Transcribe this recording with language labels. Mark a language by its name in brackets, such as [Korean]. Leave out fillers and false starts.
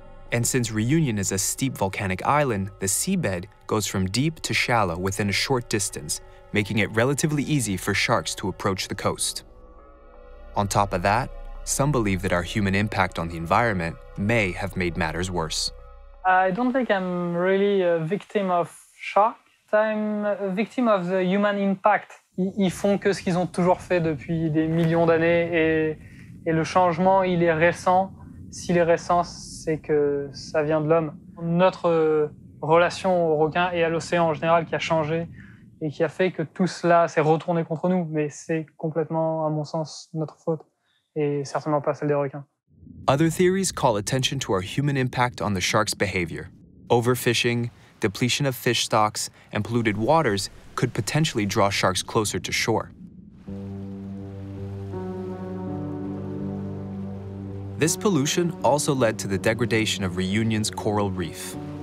[English] And since Reunion is a steep volcanic island, the seabed goes from deep to shallow within a short distance, making it relatively easy for sharks to approach the coast. On top of that, some believe that our human impact on the environment may have made matters worse. I don't think I'm really a victim of shark. I'm a victim of the human impact. [French] Ils font que ce qu'ils ont toujours fait depuis des millions d'années et le changement, il est récent. S'il est récent, c'est que ça vient de l'homme. Notre relation aux requins et à l'océan en général qui a changé et qui a fait que tout cela s'est retourné contre nous. Mais c'est complètement, à mon sens, notre faute et certainement pas celle des requins. [English] Other theories call attention to our human impact on the shark's behavior. Overfishing, depletion of fish stocks, and polluted waters could potentially draw sharks closer to shore. This pollution also led to the degradation of Reunion's coral reef.